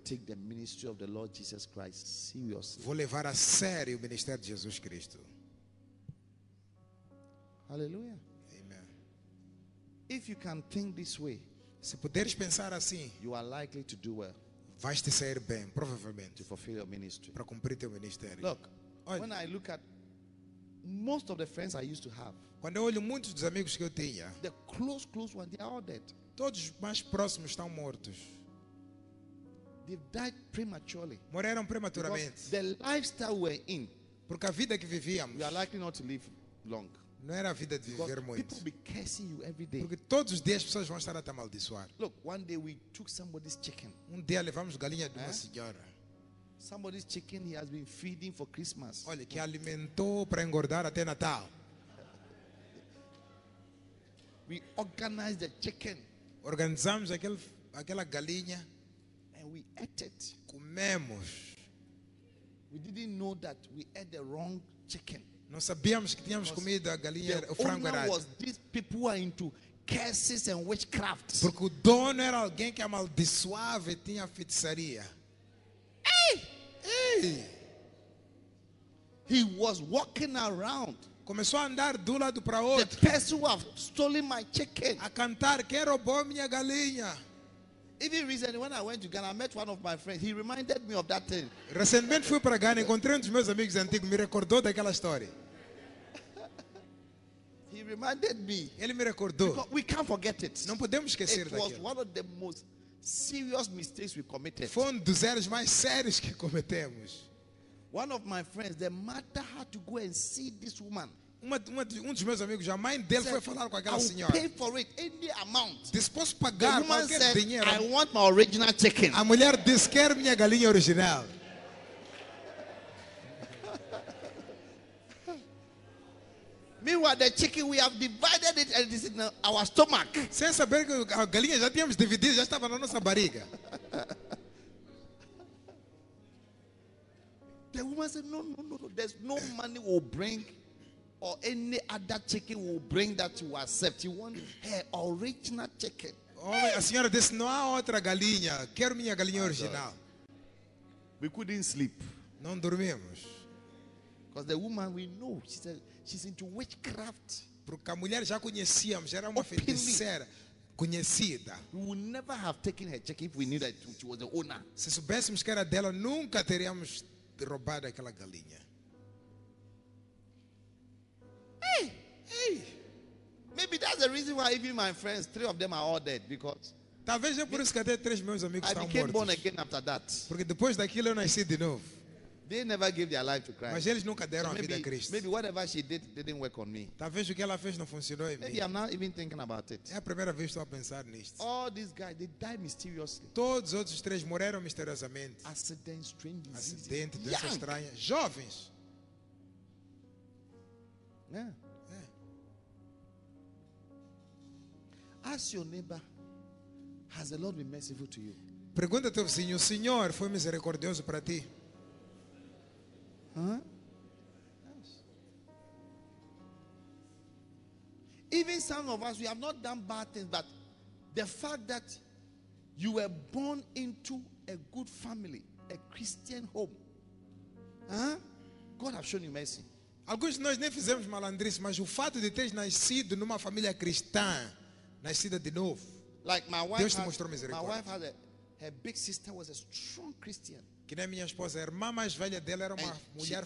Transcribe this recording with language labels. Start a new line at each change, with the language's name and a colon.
English: I'm going to take the ministry of the Lord Jesus Christ seriously.
Portuguese: Vou levar a sério o ministério de Jesus Cristo.
English: Hallelujah. Amen. If you can think this way,
Portuguese: se puderes pensar assim,
English: you are likely to do well.
Portuguese: Vais te sair bem, provavelmente.
English: To fulfill your ministry.
Portuguese: Para cumprir teu ministério.
English: Look,
Portuguese: olha,
English: when I look at most of the friends I used to have,
Portuguese: quando eu olho muitos dos amigos que eu tinha,
English: the close ones, they are all dead.
Portuguese: Todos os mais próximos estão mortos.
English: They died prematurely.
Portuguese: Morreram prematuramente.
English: The lifestyle we're in.
Portuguese: Porque a vida que vivíamos.
English: We are likely not to live long.
Portuguese: Não era a vida de viver muito.
English: People be cursing you every day.
Portuguese: Porque todos os dias as pessoas vão estar a te amaldiçoar.
English: Look, one day we took somebody's chicken.
Portuguese: Um dia levamos galinha de uma senhora.
English: Somebody's chicken he has been feeding for Christmas.
Portuguese: Olha, que alimentou para engordar até Natal.
English: We organized the chicken.
Portuguese: Organizamos aquela galinha.
English: And we ate it.
Portuguese: Comemos.
English: We didn't know that we ate the wrong chicken.
Portuguese: Não sabíamos que tínhamos comido a galinha, o frango errado.
English: Was these people are into curses and witchcraft.
Portuguese: Porque o dono era alguém que amaldiçoava e tinha feitiçaria. Ei! Ei!
English: He was walking around.
Portuguese: Começou a andar de um lado para outro.
English: The person who have stolen my chicken.
Portuguese: A cantar, quem roubou minha galinha?
English: Even recently, when I went to Ghana, I met one of my friends. He reminded me of that thing.
Portuguese: Recentemente fui para Ghana, encontrei um dos meus amigos antigos, me recordou daquela história.
English: He reminded me.
Portuguese: Ele me recordou.
English: Because we can't forget it.
Portuguese: Não podemos esquecer
English: it
Portuguese: daquilo.
English: It was one of the most serious mistakes we committed.
Portuguese: Foi um dos erros mais sérios que cometemos.
English: One of my friends, the mother had to go and see this woman.
Portuguese: Um dos meus amigos, a mãe dele foi falar com aquela senhora.
English: Pay for it any amount.
Portuguese: Disposto a pagar qualquer dinheiro.
English: I want my original chicken.
Portuguese: A mulher disse, quer minha galinha original.
English: Meanwhile, the chicken we have divided it and it is in our stomach.
Portuguese: Sem saber que a galinha já tínhamos dividido, já estava na nossa barriga.
English: The woman said, no, there's no money we'll bring or any other chicken we'll bring that you accept. You want her original chicken.
Portuguese: Oh, a senhora disse, não há outra galinha. Quero minha galinha original.
English: We couldn't sleep.
Portuguese: Não dormimos.
English: Because the woman, we know, she said, she's into witchcraft.
Portuguese: Porque a mulher já conhecíamos, era uma feiticeira. Conhecida.
English: We would never have taken her chicken if we knew that she was the owner.
Portuguese: Se soubéssemos que era dela, nunca teríamos de roubar aquela galinha. Hey, hey.
English: Maybe that's the reason why even my friends, three of them are all dead because.
Portuguese: Talvez é por isso que até três meus amigos estão mortos.
English: I became born again after that.
Portuguese: Porque depois daquilo eu nasci de novo.
English: They never gave their life to Christ.
Portuguese: Mas eles nunca deram a vida a Cristo.
English: Maybe whatever she did didn't work on me.
Portuguese: Talvez o que ela fez não funcionou em mim.
English: Maybe I'm not even thinking about it.
Portuguese: É a primeira vez que estou a pensar nisto.
English: All these guys, they died mysteriously.
Portuguese: Todos os outros três morreram misteriosamente.
English: Accident, strange diseases.
Portuguese: Acidente, doença estranha. Jovens.
English: Yeah. Yeah. Ask your neighbor, has the Lord been merciful to you?
Portuguese: Pergunta teu vizinho, o Senhor foi misericordioso para ti?
English: Huh? Yes. Even some of us, we have not done bad things, but the fact that You were born into a good family, a Christian home. Huh? God has shown you mercy.
Portuguese: Alguns de nós nem fizemos malandrice, mas o fato de teres nascido numa família cristã, nascida de novo,
English: like my wife
Portuguese: Deus te mostrou misericórdia.
English: My wife had a, her big sister was a strong Christian.
Portuguese: Que nem minha esposa, a irmã mais velha dela era uma
English: and
Portuguese: mulher